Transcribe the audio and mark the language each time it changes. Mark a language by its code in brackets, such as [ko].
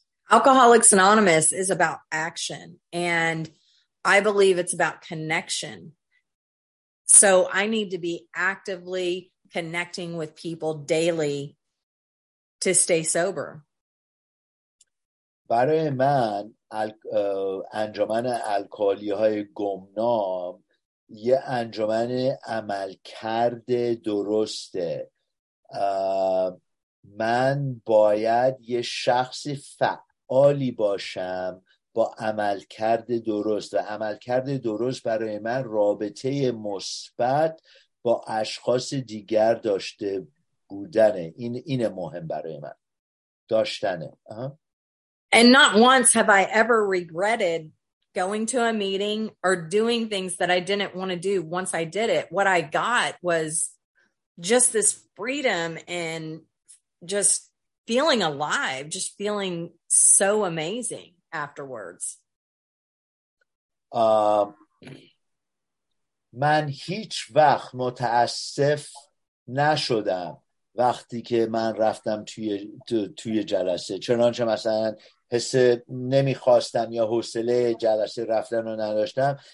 [en] Alcoholics Anonymous is about action, and I believe it's about connection. So I need to be actively connecting with people daily to stay sober. [fa] برای من انجمن الکلی‌های گمنام یه انجمن عملکرد درسته. من باید یه شخصی فعالی باشم با عملکرد درست و عملکرد درست برای من رابطه مثبت با اشخاص دیگر داشته بودنه. این مهم برای من داشتنه. [en] And not once have I ever regretted going to a meeting or doing things that I didn't want to do once I did it. What I got was just this freedom and just feeling alive, just feeling so amazing afterwards. [fa] من هیچ وقت متاسف نشدم وقتی که من رفتم توی جلسه. چنانچه مثلا حس نمیخواستم یا حوصله جلسه رفتن رو نداشتم.